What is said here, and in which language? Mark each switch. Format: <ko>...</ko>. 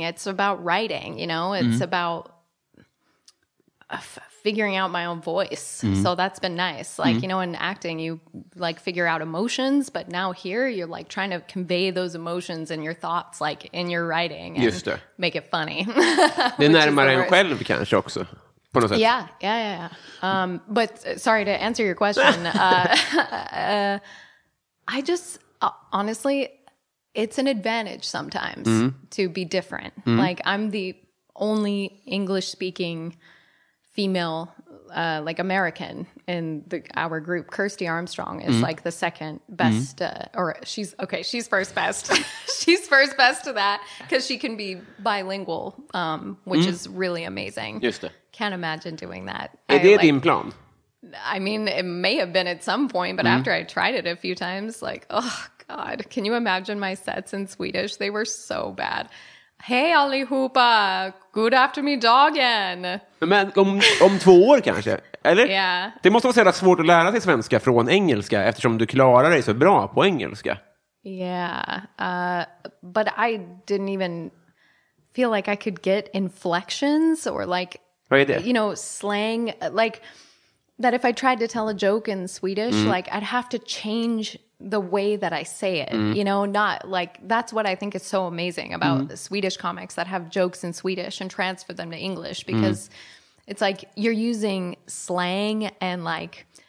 <en>It's about writing, you know? It's about figuring out my own voice. Mm-hmm. So that's been nice. Like, mm-hmm. you know, in acting, you, like, figure out emotions. But now here, you're, like, trying to convey those emotions and your thoughts, like, in your writing. And</en> <sv>just det.</sv> <en>Make it funny.</en> <sv>Det är närmare en själv kanske också, på något sätt.</sv> <en>Yeah, yeah, yeah. But sorry to answer your question. I just, honestly, it's an advantage sometimes to be different. Mm. Like, I'm the only English speaking female, like, American in our group. Kirstie Armstrong is like the second best, or she's okay. She's first best. She's first best to that because she can be bilingual, which is really amazing.</en> <sv>Just det.</sv> <en>Can't imagine doing that.</en> <sv>Är det din plan?</sv> <en>I mean, it may have been at some point, but after I tried it a few times, like, oh, God, can you imagine my sets in Swedish? They were so bad.</en> <sv>Hey, allihopa.</sv> <en>Good</en> <sv>eftermiddagen. Men om 2 år kanske, eller? Ja. Yeah. Det måste vara så jävla svårt att lära sig svenska från engelska eftersom du klarar dig så bra på engelska.</sv> <en>Yeah, but I didn't even feel like I could get inflections or, like,</en> <sv>vad är det?</sv> <en>You know, slang, like, that if I tried to tell a joke in Swedish, like, I'd have to change the way that I say it, you know, not, like, that's what I think is so amazing about the Swedish comics that have jokes in Swedish and transfer them to English, because it's like you're using slang and, like,</en>